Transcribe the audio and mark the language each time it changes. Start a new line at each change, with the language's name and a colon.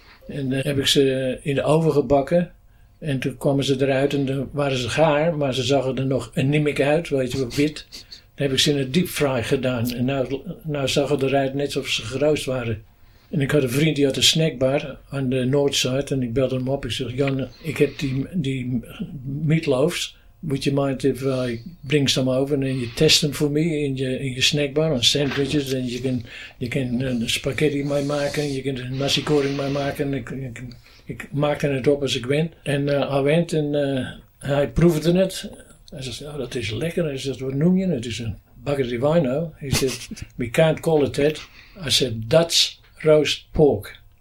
Dutch: En dan heb ik ze in de oven gebakken. En toen kwamen ze eruit en dan waren ze gaar. Maar ze zagen er nog anemic uit, weet je wat, wit. Dan heb ik ze in het diepfry gedaan. En nou zag het eruit net alsof ze geroost waren. En ik had een vriend die had een snackbar aan de Noordzijde en ik belde hem op. Ik zeg, Jan, ik heb die meatloaves.
English: Would you mind if I bring some over and you test them for me in your snackbar on sandwiches? And you can spaghetti
Dutch: mee maken,
English: you can nasi goreng mee maken.
Dutch: Ik maakte het op als ik
English: went.
Dutch: En hij went en hij proefde het. Hij zegt, oh, dat is lekker. Hij zegt, wat noem je het? Het is een
English: bucket of wino. He said, we can't call it that. I said, that's roast pork.